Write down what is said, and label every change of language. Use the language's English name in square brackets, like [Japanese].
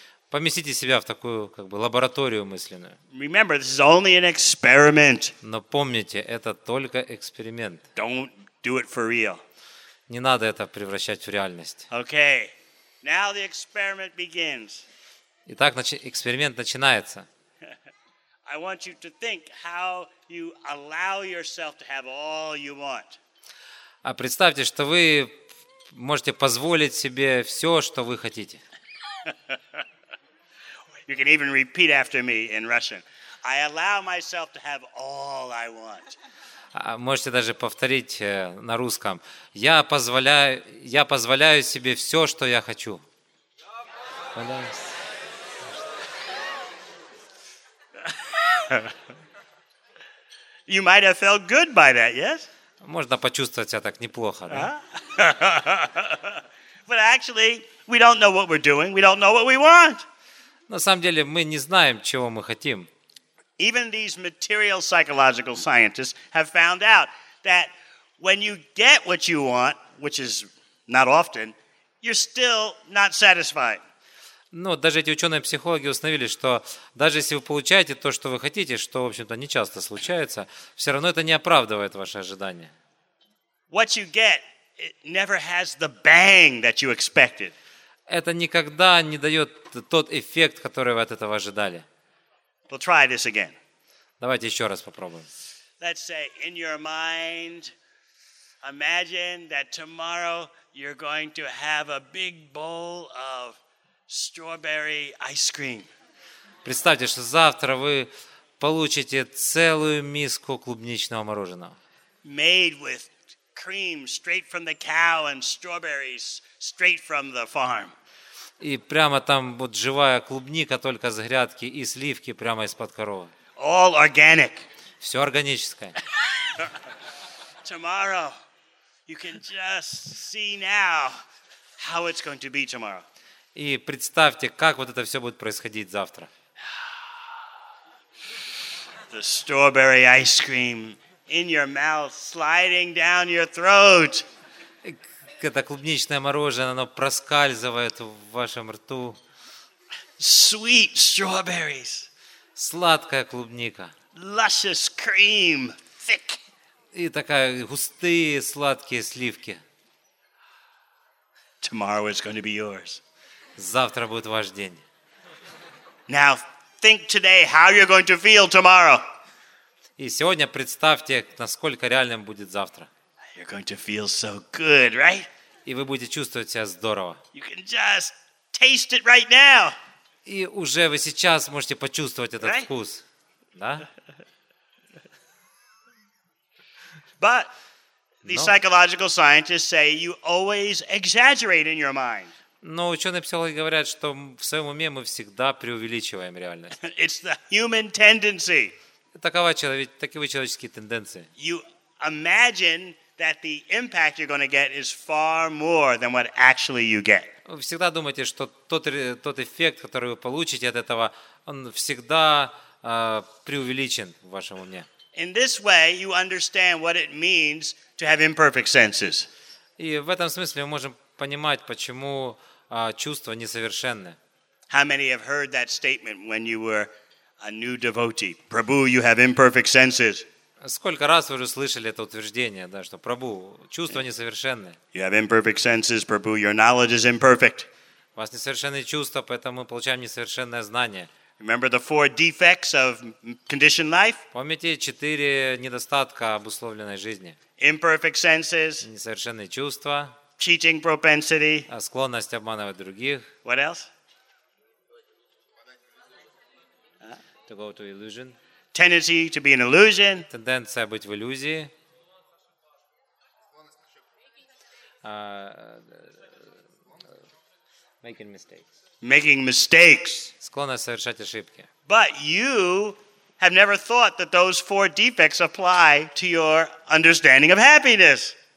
[Russian] Поместите себя в такую как бы лабораторию мысленную. [English] Remember, this is only an experiment. [Russian] Но помните, это только эксперимент. [English] Don't do it for real. [Russian] Не надо это превращать в реальность. [English] Okay. Now the experiment begins. [Russian] Итак, эксперимент начинается. [English] I want you to think how you allow yourself to have all you want. [Russian] А представьте, что вы можете позволить себе все, что вы хотите. [English] You can even repeat after me in Russian. I allow myself to have all I want. [Russian] Можете даже повторить на русском. Я позволяю себе все, что я хочу. [English] You might have felt good by that, yes? [Russian] Можно почувствовать себя так неплохо, да? [English] But actually, we don't know what we're doing. We don't know what we want. [Russian] На самом деле, мы не знаем, чего мы хотим. [English] Even these material psychological scientists have found out that when you get what you want, which is not often, you're still not satisfied. [Russian] Но даже эти ученые-психологи установили, что даже если вы получаете то, что вы хотите, что, в общем-то, не часто случается, все равно это не оправдывает ваши ожидания. [English] What you get, it never has the bang that you expected. [Russian] Это никогда не дает тот эффект, который вы от этого ожидали. [English] We'll try this again. [Russian] Давайте еще раз попробуем. [English] Let's say in your mind, imagine that tomorrow you're going to have a big bowl of strawberry ice cream. [Russian] Представьте, что завтра вы получите целую миску клубничного мороженого. [English] Made with cream straight from the cow and strawberries straight from the farm. [Russian] И прямо там вот живая клубника только с грядки и сливки прямо из-под коровы. [English] All organic. [Russian] Все органическое. [English] Tomorrow you can just see now how it's going to be tomorrow. [Russian] И представьте, как вот это все будет происходить завтра. [English] The strawberry ice cream in your mouth sliding down your throat. [Russian] Это клубничное мороженое, оно проскальзывает в вашем рту. [English] Sweet strawberries. [Russian] Сладкая клубника. [English] Luscious cream, thick. [Russian] И такая густые сладкие сливки. [English] Tomorrow is going to be yours. [Russian] Завтра будет ваш день. [English] Now think today how you're going to feel tomorrow. [Russian] И сегодня представьте, насколько реальным будет завтра. [English] You're going to feel so good, right? [Russian] И вы будете чувствовать себя здорово. [English] You can just taste it right now. [Russian] И уже вы сейчас можете почувствовать этот [English] right? [Russian] вкус, да? [English] But the no. psychological scientists say you always exaggerate in your mind. [Russian] Но ученые-психологи говорят, что в своем уме мы всегда преувеличиваем реальность. [English] It's the human tendency. [Russian] Таковы человеческие тенденции. [English] You imagine that the impact you're going to get is far more than what actually you get. [Russian] Вы всегда думаете, что тот эффект, который вы получите от этого, он всегда преувеличен в вашем уме. [English] In this way, you understand what it means to have imperfect senses. [Russian] И в этом смысле мы можем понимать, почему чувства несовершенны. [English] How many have heard that statement when you were a new devotee? Prabhu, you have imperfect senses. [Russian] Сколько раз вы уже слышали это утверждение, да, что Прабу, чувства несовершенны. [English] You have imperfect senses, Prabhu, your knowledge is imperfect. [Russian] У вас несовершенные чувства, поэтому мы получаем несовершенное знание. [English] Remember the four defects of conditioned life? [Russian] Помните четыре недостатка обусловленной жизни? [English] Imperfect senses. [Russian] Несовершенные чувства. [English] Cheating propensity. [Russian] Склонность обманывать других. [English] What else? To go to illusion. Tendency to be an illusion. [Russian] Тенденция быть в иллюзии. [English] Making mistakes. Making mistakes. [Russian] Склонность совершать ошибки. [English] But you have never thought that those four defects apply to your understanding of happiness.